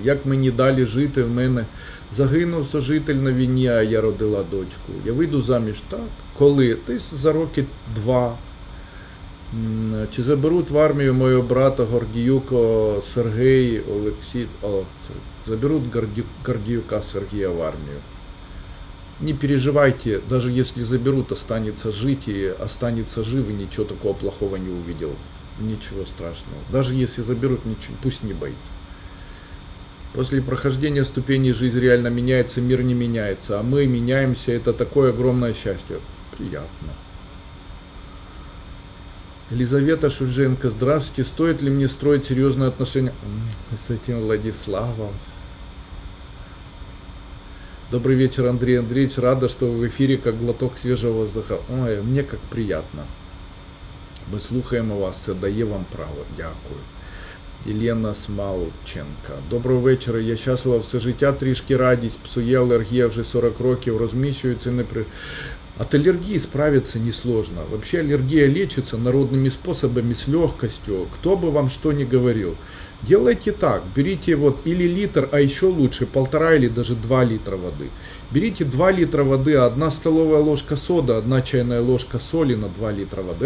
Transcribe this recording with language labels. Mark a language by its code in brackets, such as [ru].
[uk] Як мені далі жити? В мене загинув сожитель на війні, а я родила дочку. Я вийду заміж, так? Коли? Десь за роки 2. Чи заберуть в армію мого брата Гордіюка Сергій Олексій? О, заберуть Гордіюка Сергія в армію. [ru] Не переживайте, даже если заберут, останется жить и останется жив, и ничего такого плохого не увидел. Ничего страшного. Даже если заберут, ничего, пусть не боится. После прохождения ступеней жизнь реально меняется, мир не меняется, а мы меняемся, это такое огромное счастье. Приятно. Елизавета Шудженко, здравствуйте, стоит ли мне строить серьезные отношения с этим Владиславом? Добрый вечер, Андрей Андреевич, рада, что вы в эфире, как глоток свежего воздуха. Ой, мне как приятно. Мы слухаем о вас, я даю вам право, [uk] дякую. Елена Смалченко. Доброго вечора. Я щаслива все життя, трішки радість, псує алергія вже 40 років, розміщується не при... [ru] От алергии справиться несложно. Вообще аллергия лечится народными способами, с легкостью. Кто бы вам что ни говорил. Делайте так. Берите вот или литр, а еще лучше 1,5 или даже 2 литра воды. Берите 2 литра воды, 1 столовая ложка соды, 1 чайная ложка соли на 2 литра воды.